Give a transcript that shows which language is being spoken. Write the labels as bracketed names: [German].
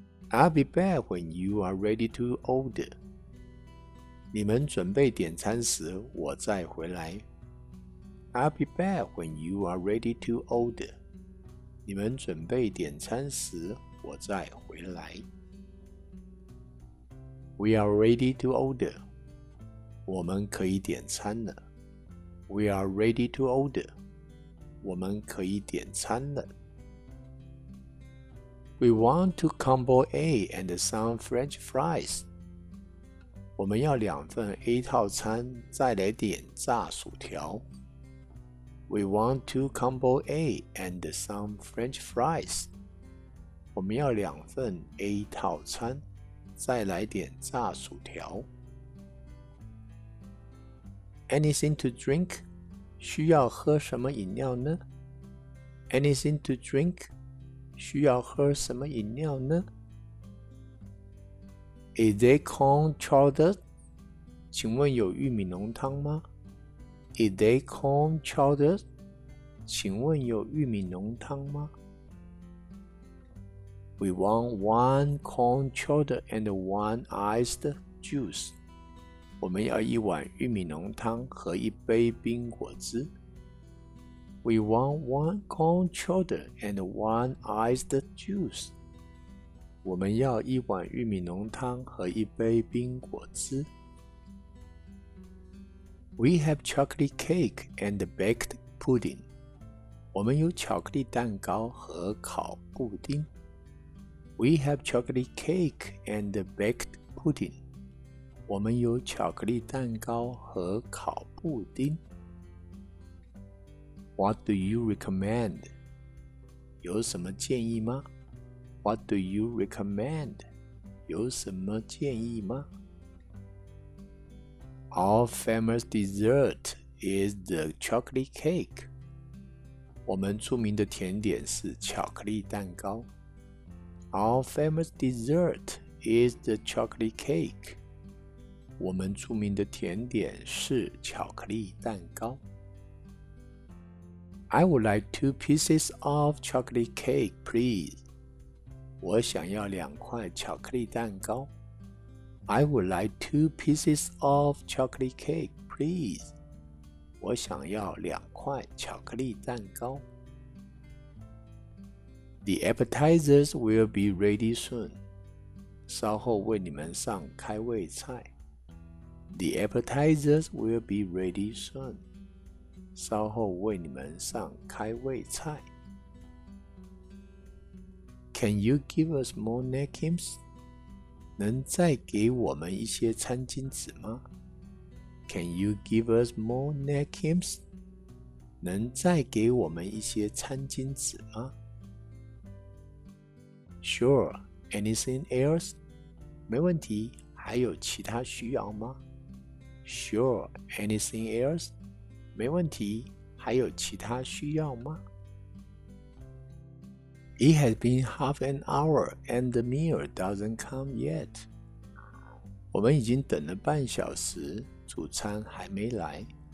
[English] I'll be back when you are ready to order. [Chinese] 你们准备点餐时，我再回来。 [English] I'll be back when you are ready to order. [Chinese] 你们准备点餐时，我再回来。 [English] We are ready to order. [Chinese] 我们可以点餐了。 [English] We are ready to order. [Chinese] 我们可以点餐了。 [English] We want to combo A and some French fries. [Chinese] 我们要两份 A 套餐，再来点炸薯条。 [English] We want to combo A and some French fries. [Chinese] 我们要两份 A 套餐，再来点炸薯条。 [English] Anything to drink? [Chinese] 需要喝什么饮料呢 ？ [English] Anything to drink? [Chinese] 需要喝什么饮料呢 ？ [English] Is there corn chowder? [Chinese] 请问有玉米浓汤吗 ？ [English] Is there corn chowder? [Chinese] 请问有玉米浓汤吗 ？ [English] We want one corn chowder and one iced juice. [Chinese] 我们要一碗玉米浓汤和一杯冰果汁。 [English] We want one corn chowder and one iced juice. [Chinese] 我们要一碗玉米浓汤和一杯冰果汁。 [English] We have chocolate cake and baked pudding. [Chinese] 我们有巧克力蛋糕和烤布丁。 [English] We have chocolate cake and baked pudding. [Chinese] 我们有巧克力蛋糕和烤布丁。 [English] What do you recommend? [Chinese] 有什么建议吗? [English] What do you recommend? [Chinese] 有什么建议吗? [English] Our famous dessert is the chocolate cake. [Chinese] 我们著名的甜点是巧克力蛋糕。 [English] Our famous dessert is the chocolate cake. [Chinese] 我们著名的甜点是巧克力蛋糕。 [English] I would like two pieces of chocolate cake, please. [Chinese] 我想要两块巧克力蛋糕。 [English] I would like two pieces of chocolate cake, please. [Chinese] 我想要两块巧克力蛋糕。 [English] The appetizers will be ready soon. [Chinese] 稍后为你们上开胃菜。 [English] The appetizers will be ready soon. [Chinese] 稍后为你们上开胃菜。 [English] Can you give us more napkins? [Chinese] 能再给我们一些餐巾纸吗? [English] Can you give us more napkins? [Chinese] 能再给我们一些餐巾纸吗? [English] Sure, anything else? [Chinese] 没问题,还有其他需要吗? [English] Sure, anything else? [Chinese] 没问题，还有其他需要吗? [English] It has been half an hour and the meal doesn't come yet. [Chinese] 我们已经等了半小时，主餐还没来。